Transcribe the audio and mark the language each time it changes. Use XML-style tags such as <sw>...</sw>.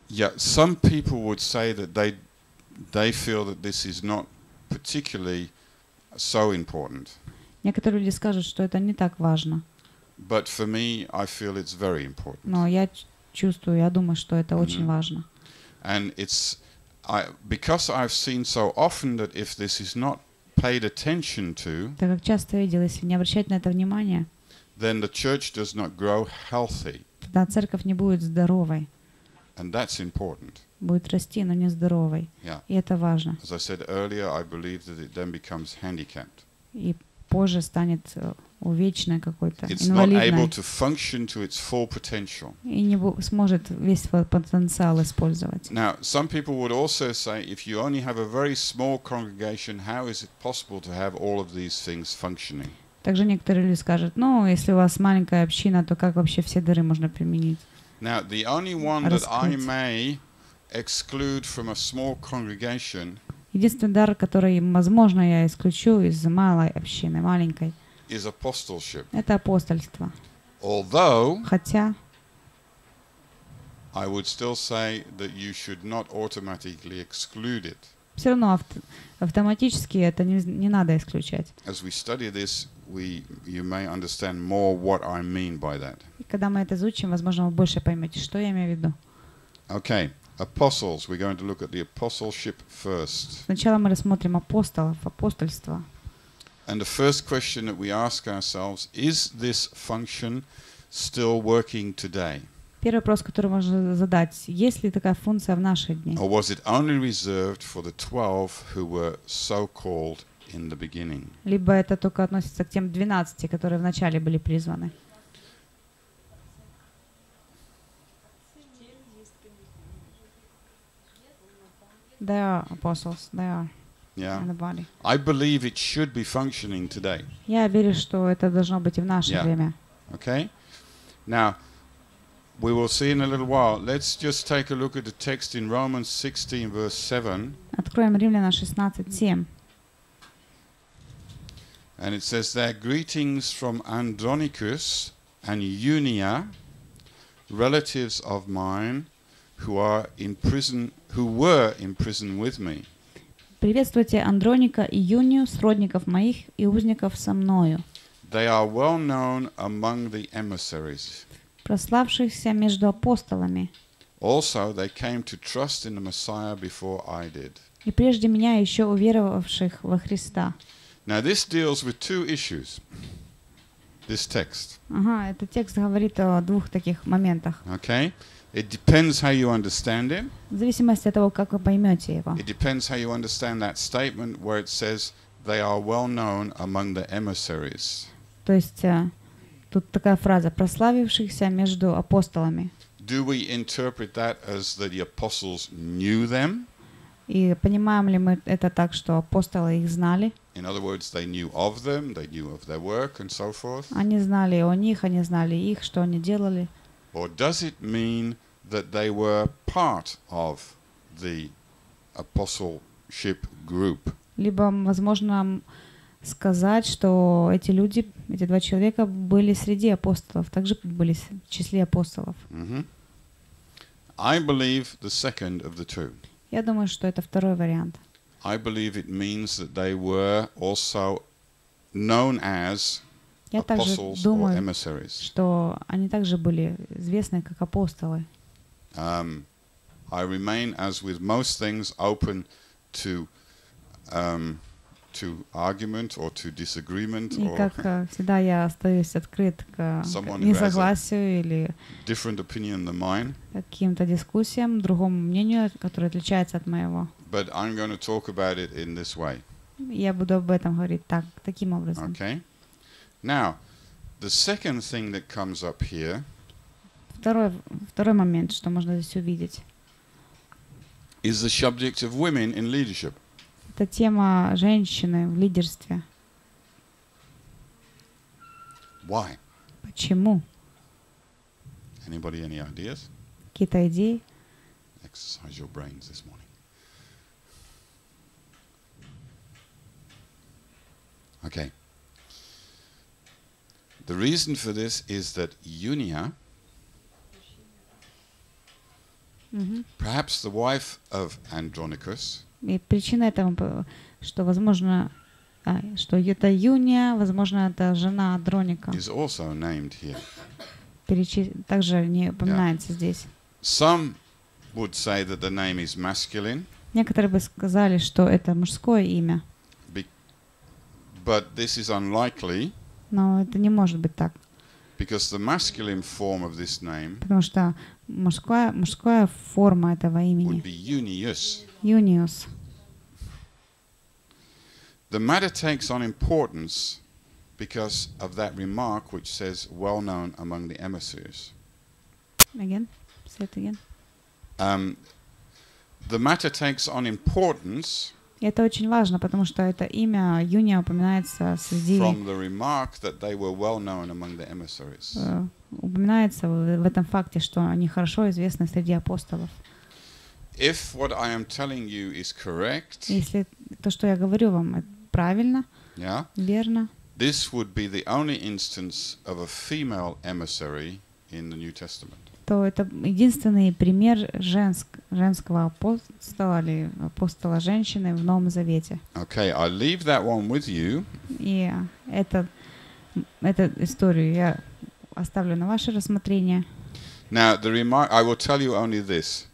<en>Yeah, some people would say that they feel that this is not particularly so important.</en> <ru>Некоторые люди скажут, что это не так важно.</ru> <en>But for me, I feel it's very important.</en> <ru>Но я чувствую, я думаю, что это очень важно.</ru> <en>And it's because I've seen so often that if this is not paid attention to,</en> <ru>так как часто видел, если не обращать на это внимание,</ru> <en>then the church does not grow healthy.</en> <ru>Тогда церковь не будет здоровой.</ru> <en>And that's important.</en> <ru>Будет расти, но не здоровой.</ru> <en>Yeah.</en> <ru>И это важно.</ru> <en>As I said earlier, I believe that it then becomes handicapped.</en> <ru>И позже станет увечной какой-то,</ru> <en>it's</en> <ru>инвалидной.</ru> <en>Not able to function to its full potential.</en> <ru>И не сможет весь свой потенциал использовать.</ru> <en>Now, some people would also say, if you only have a very small congregation, how is it possible to have all of these things functioning?</en> <ru>Также некоторые люди скажут, ну, если у вас маленькая община, то как вообще все дыры можно применить?</ru> <en>Now, the only one</en> <ru>раскрыть.</ru> <en>That I may exclude from a small congregation,</en> <ru>единственный дар, который, возможно, я исключу из малой общины, маленькой,</ru> <en>is apostleship.</en> <ru>Это апостольство.</ru> <en>Although,</en> <ru>хотя,</ru> <en>I would still say that you should not automatically exclude it.</en> <ru>Все равно автоматически это не надо исключать.</ru> <en>As we study this, you may understand more what I mean by that.</en> <ru>И когда мы это изучим, возможно, вы больше поймете, что я имею в виду.</ru> <en>Okay, apostles. We're going to look at the apostleship first.</en> <ru>Сначала мы рассмотрим апостолов, апостольство.</ru> <en>And the first question that we ask ourselves is this function still working today?</en> <ru>Первый вопрос, который можно задать, есть ли такая функция в наши дни?</ru> <en>Or was it only reserved for the 12 who were so called in the beginning?</en> <ru>Либо это только относится к тем 12, которые вначале были призваны.</ru> <en>They are apostles. They are. Yeah. I believe it should be functioning today.</en> <ru>Я верю, что это должно быть и в наше время.</ru> <en>Okay. Now, we will see in a little while. Let's just take a look at the text in Romans 16, verse 7.</en> <ru>Откроем Римлянам 16:7.</ru> <en>And it says there, greetings from Andronicus and Junia, relatives of mine, who are in prison, who were in prison with me.</en> <ru>Приветствуйте Андроника и Юнию, сродников моих и узников со мною.</ru> <en>They are well known among the emissaries.</en> <ru>Прославшихся между апостолами.</ru> <en>Also, they came to trust in the Messiah before I did.</en> <ru>И прежде меня еще уверовавших во Христа.</ru> <en>Now this deals with two issues. This text.</en> <ru>Ага, этот текст говорит о двух таких моментах.</ru> <en>Okay. It depends how you understand it.</en> <ru>В зависимости от того, как вы поймете его.</ru> <en>It depends how you understand that statement where it says they are well known among the emissaries.</en> <ru>То есть тут такая фраза прославившихся между апостолами.</ru> <en>Do we interpret that as that the apostles knew them?</en> <ru>И понимаем ли мы это так, что апостолы их знали?</ru> <en>In other words, they knew of them, they knew of their work and so forth.</en> <ru>Они знали о них, они знали их, что они делали.</ru> <en>Or does it mean that they were part of the apostleship group?</en> <ru>Либо возможно сказать, что эти люди, эти два человека были среди апостолов, также были в числе апостолов.</ru> <en>I believe the second of the two.</en> <ru>Я думаю, что это второй вариант.</ru> <en>I believe it means that they were also known as</en> <ru>Я также думаю,</ru> <en>emissaries.</en> <ru>Что они также были известны как апостолы.</ru> <en>I remain, as with most things, open to argument or to disagreement.</en> <ru>И как всегда я остаюсь открыт к несогласию или</ru> <en>different opinion than mine.</en> <ru>Каким-то дискуссиям, другому мнению, которое отличается от моего.</ru> <en>But I'm going to talk about it in this way.</en> <ru>Я буду об этом говорить так, таким образом.</ru> <en>Okay. Now, the second thing that comes up here.</en> <ru>Второй момент, что можно здесь увидеть.</ru> <en>Is the subject of women in leadership.</en> <ru>Это тема женщины в лидерстве.</ru> <en>Why?</en> <ru>Почему?</ru> <en>Anybody any ideas?</en> <ru>Какие-то идеи?</ru> <en>Exercise your brains this morning. Okay. The reason for this is that Junia, perhaps the wife of Andronicus.</en> <ru>И причина этому, что возможно, что это Юния, возможно, это жена Андроника.</ru> <en>Is also named here.</en> <ru>Также не упоминается здесь.</ru> <en>Some would say that the name is masculine.</en> <ru>Некоторые бы сказали, что это мужское имя.</ru> <en>But this is unlikely.</en> <ru>Но это не может быть так.</ru> <en>Because the masculine form of this name.</en> <ru>Потому что мужская форма этого имени.</ru> <en>Would be Junius. Junius. The matter takes on importance because of that remark which says well known among the emissaries. Again, say it again. The matter takes on importance.</en> <ru>И это очень важно, потому что это имя Юния упоминается среди.</ru> <en>From the remark that they were well known among the emissaries.</en> <ru>Упоминается в этом факте, что они хорошо известны среди апостолов.</ru> <en>If what I am telling you is correct.</en> <ru>Если то, что я говорю вам, правильно.</ru> <en>Yeah.</en> <ru>Верно.</ru> <en>This would be the only instance of a female emissary in the New Testament.</en> <ru>то это единственный пример женского апостола или апостола женщины в Новом Завете.</ru> <en>Okay, I leave that one with you.</en> <ru>Yeah, эту историю я оставлю на ваше рассмотрение.</ru> <en>Now, the remark, I will tell you only this.</en>